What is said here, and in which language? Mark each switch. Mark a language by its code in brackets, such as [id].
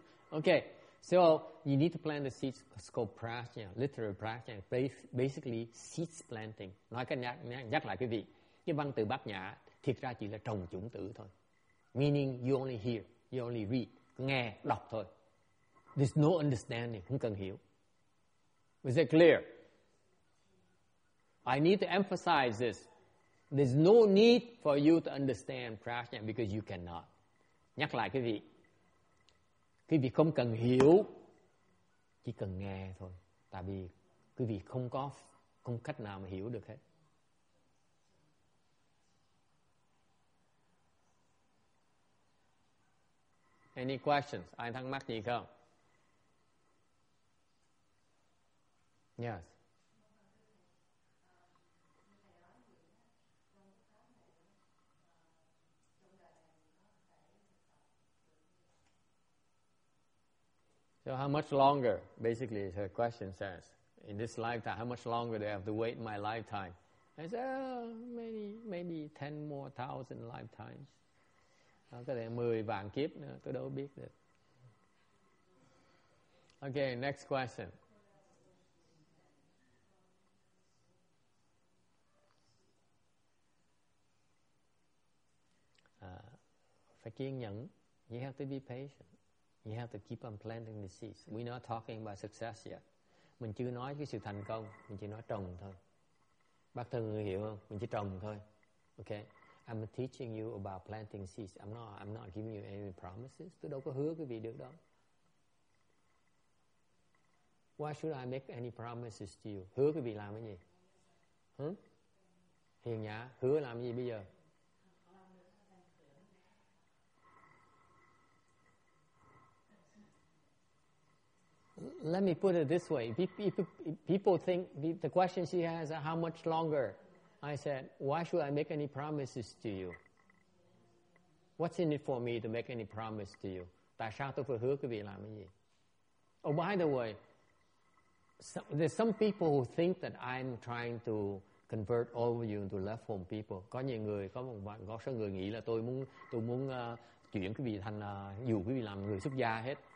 [en] Okay, so you need to plant the seeds. It's called prajna, literal prajna, basically seeds planting. [vi] Nói cái nhắc lại cái gì? Cái văn từ Bát Nhã thiệt ra chỉ là trồng chủng tử thôi. [en] Meaning you only hear, you only read, [vi] nghe, đọc thôi. [en] There's no understanding, [vi] không cần hiểu. [en] Is that clear? I need to emphasize this. There's no need for you to understand prajna because you cannot. [vi] Nhắc lại cái gì? Quý vị không cần hiểu, chỉ cần nghe thôi. Tại vì quý vị không có không cách nào mà hiểu được hết. [en] Any questions? [vi] Ai thắc mắc gì không? [en] Yes. So how much longer, basically, her question says, in this lifetime, how much longer do I have to wait in my lifetime? I said, oh, maybe 10 more thousand lifetimes. [vi] Có thể 10 vạn kiếp nữa, tôi đâu biết được. [en] Okay, next question. [vi] Phải kiên nhẫn, [en] you have to be patient. You have to keep on planting the seeds. We're not talking about success yet. [vi] Mình chưa nói cái sự thành công. Mình chỉ nói trồng thôi. Bác thân người hiểu không? Mình chỉ trồng thôi. [en] Okay? I'm teaching you about planting seeds. I'm not giving you any promises. [vi] Tôi đâu có hứa cái gì được đâu. [en] Why should I make any promises to you? [vi] Hứa cái gì làm cái gì? Hiền nhã, hứa làm cái gì bây giờ? [en] Let me put it this way. People think, the question she has, how much longer? I said, why should I make any promises to you? What's in it for me to make any promise to you? [vi] Tại sao tôi phải hứa cái gì làm cái gì? [en] Oh, by the way, there's some people who think that I'm trying to convert all of you into left home people. [vi] Có nhiều người, có số người nghĩ là tôi muốn chuyển cái gì thành, dù cái gì làm người xuất gia hết.